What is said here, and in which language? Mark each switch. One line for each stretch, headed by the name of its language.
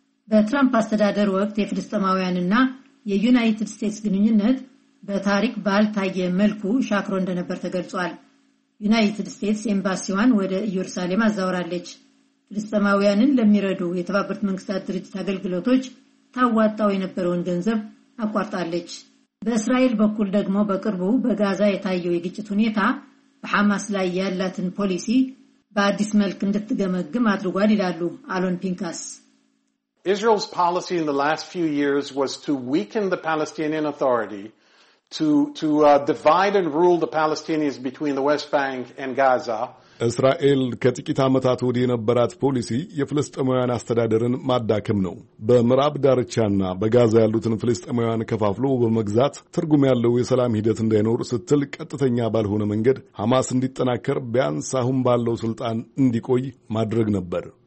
Amharic: በትራምፕ አስተዳደር ወቅት የፍልስጤማውያንና የዩናይትድ ስቴትስ ግንኙነት በታሪክ ባልታየ መልኩ ሻክሮ እንደነበር ተገልጿል። ዩናይትድ ስቴትስ ኤምባሲዋን ወደ ኢየሩሳሌም አዛውራለች። ፍልስጤማውያንን ለሚረዱ የተባበሩት መንግስታት ድርጅት አገልግሎቶች ታዋጣው የነበረውን ገንዘብ አቋርጣለች። በእስራኤል በኩል ደግሞ በቅርቡ በጋዛ የታየው የግጭት ሁኔታ በሐማስ ላይ ያላትን ፖሊሲ በአዲስ መልክ እንድትገመግም አድርጓል ይላሉ አሎን ፒንካስ።
English: Israel's policy in the last few years was to weaken the Palestinian Authority, to divide and rule the Palestinians between the West Bank and Gaza.
Amharic: እስራኤል ከጥቂት ዓመታት ወዲህ የነበራት ፖሊሲ የፍልስጤማውያን አስተዳደርን ማዳከም ነው። በምዕራብ ዳርቻና በጋዛ ያሉትን ፍልስጤማውያን ከፋፍሎ በመግዛት ትርጉም ያለው የሰላም ሂደት እንዳይኖር ስትል ቀጥተኛ ባልሆነ መንገድ ሐማስ እንዲጠናከር ቢያንስ አሁን ባለው ስልጣን እንዲቆይ ማድረግ ነበር።